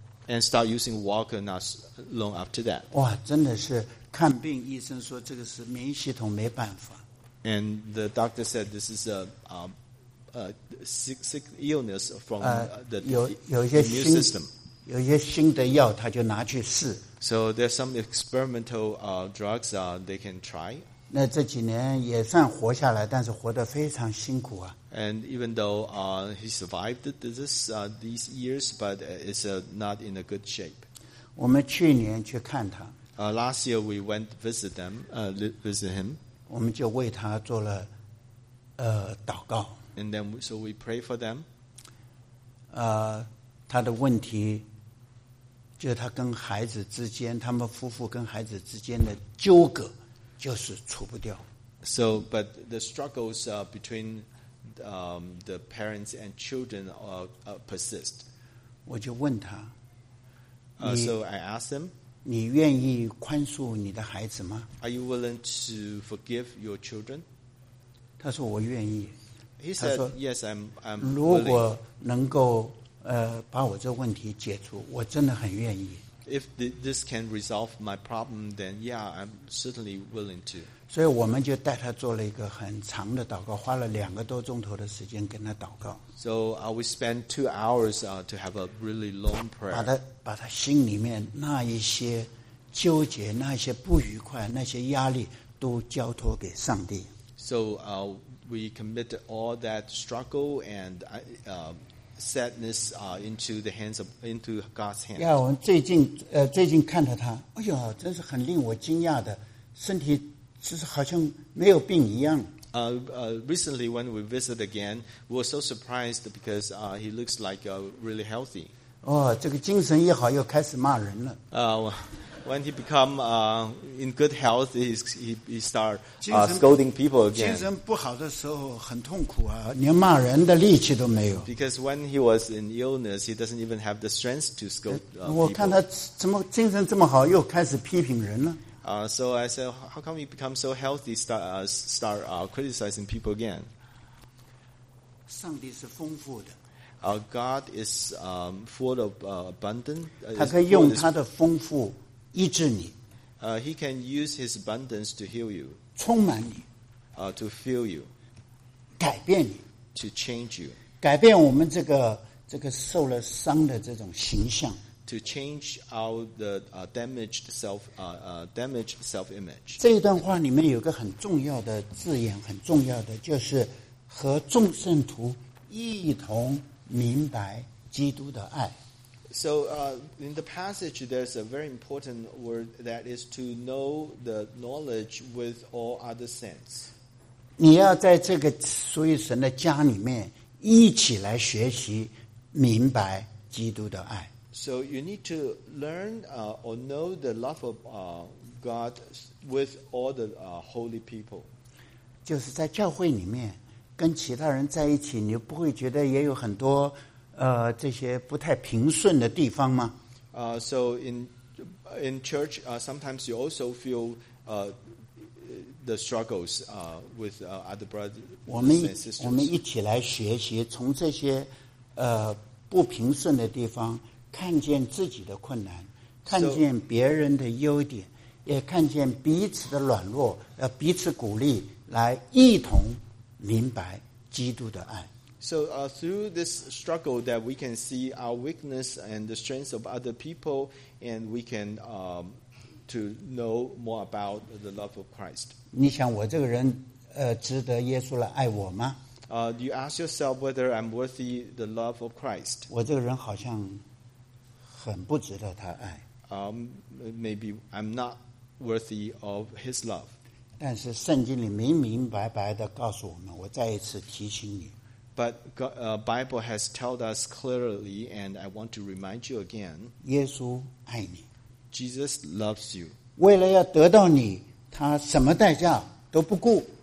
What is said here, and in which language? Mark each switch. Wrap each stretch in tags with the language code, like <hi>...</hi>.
<en>And start using walker not long after that.</en> <zh>哇，真的是看病，医生说这个是免疫系统没办法。</zh> <en>And the doctor said this is a sick illness from the immune system.</en> <zh>有一些新的药，他就拿去试。</zh> <en>So there's some experimental drugs they can try.</en> <zh>那这几年也算活下来，但是活得非常辛苦啊。</zh> <en>And even though he survived these years, but it's not in a good shape.</en> <zh>我们去年去看他。</zh> <en>Last year we went visit them, visit him.</en> <zh>我们就为他做了祷告。</zh> <en>And then so we pray for them.</en> <zh>他的问题就是他跟孩子之间，他们夫妇跟孩子之间的纠葛就是除不掉。</zh> <en>So, but the struggles between the parents and children persist.</en> <zh>我就问他。</zh> <en>So I asked him,</en> <zh>你愿意宽恕你的孩子吗？</zh> <en>Are you willing to forgive your children?</en> <zh>他说我愿意。</zh> <en>He said, yes, I'm willing.</en> <zh>如果能够把我这问题解除，我真的很愿意。</zh> <en>If this can resolve my problem, then yeah, I'm certainly willing to.</en> <zh>所以我们就带他做了一个很长的祷告，花了两个多钟头的时间跟他祷告。</zh> <en>So we spent 2 hours to have a really long prayer.</en> <zh>把他心里面那一些纠结、那些不愉快、那些压力都交托给上帝。</zh> <en>So we committed all that struggle and sadness into God's hands.</en> <zh>Yeah, 我们最近看到他，哎呀，真是很令我惊讶的，身体就是好像没有病一样。</zh> <en>Recently when we visit again, we were so surprised because he looks like really healthy.</en> <zh>哦，这个精神一好又开始骂人了。</zh> <en>When he become in good health, he start scolding people again.</en> <zh>精神不好的时候很痛苦啊，连骂人的力气都没有。</zh> <en>Because when he was in illness, he doesn't even have the strength to scold people.</en> <zh>我看他怎么精神这么好，又开始批评人了。</zh> <en>So I said, how come he become so healthy, start criticizing people again?</en> <zh>上帝是丰富的。</zh> <en>God is full of abundant.</en> <zh>他可以用他的丰富。医治你</zh> <en>he can use his abundance to heal you,</en> <zh>充满你</zh> <en>to fill you,</en> <zh>改变你</zh> <en>to change you,</en> <zh>改变我们这个受了伤的这种形象</zh> <en>to change our damaged self image.</en> <zh>这一段话里面有个很重要的字眼，很重要的就是和众圣徒一同明白基督的爱。</zh> <en>So in the passage, there's a very important word that is to know the knowledge with all other saints.</en> <zh>你要在这个属于神的家里面一起来学习明白基督的爱。</zh> <en>So you need to learn or know the love of God with all the holy people.</en> <zh>就是在教会里面跟其他人在一起，你不会觉得也有很多这些不太平顺的地方吗？</zh> <en>So in church, sometimes you also feel the struggles with other brothers and sisters.</en> <zh>我们一起来学习，从这些不平顺的地方看见自己的困难，看见别人的优点，也看见彼此的软弱，彼此鼓励，来一同明白基督的爱。</zh> <en>So through this struggle that we can see our weakness and the strengths of other people, and we can to know more about the love of Christ.</en> <zh>你想我这个人，值得耶稣来爱我吗？</zh> <en>Do you ask yourself whether I'm worthy the love of Christ?</en> <zh>我这个人好像很不值得他爱。</zh> <en>Maybe I'm not worthy of His love.</en> <zh>但是圣经里明明白白地告诉我们，我再一次提醒你。</zh> <en>But the Bible has told us clearly, and I want to remind you again.</en> <zh>耶稣爱你。</zh> <en>Jesus loves you.</en> <zh>为了要得到你，他什么代价都不顾。</zh>